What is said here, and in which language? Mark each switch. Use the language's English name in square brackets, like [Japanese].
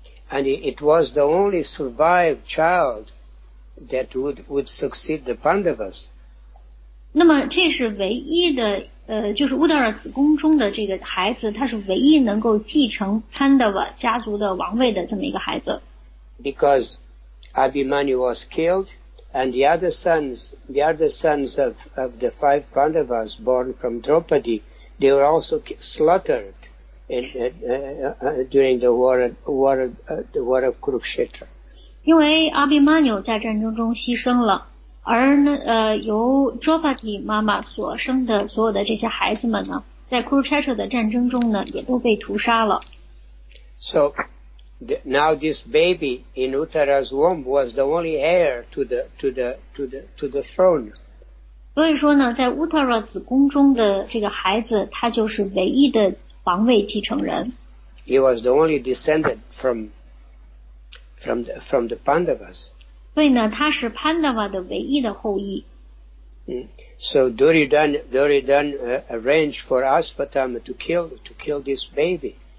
[English] And it was the only survived child that would succeed the Pandavas. [Chinese] 那么这是唯一的就是乌达尔子宫中的这个孩子，他是唯一能够继承潘德瓦家族的王位的这么一个孩子。 [English] Because Abhimanyu was killed, and the other sons of the five Pandavas born from Draupadi, they were also slaughtered during the war of Kurukshetra. [Chinese] 因为阿比曼纽在战争中牺牲了。而由 Draupadi 妈妈所生的所有的这些孩子们呢，在 Kurukshetra 的战争中呢，也都被屠杀了。 [English] So now this baby in Uttara's womb was the only heir to the throne. [Chinese] 所以说呢，在 Uttara 子宫中的这个孩子，他就是唯一的王位继承人。 [English] He was the only descendant from the Pandavas. [Chinese] 所以呢，他是 Pandava 的唯一的后裔。 [English] So Duryodhan arranged for Aswatthama to kill this baby.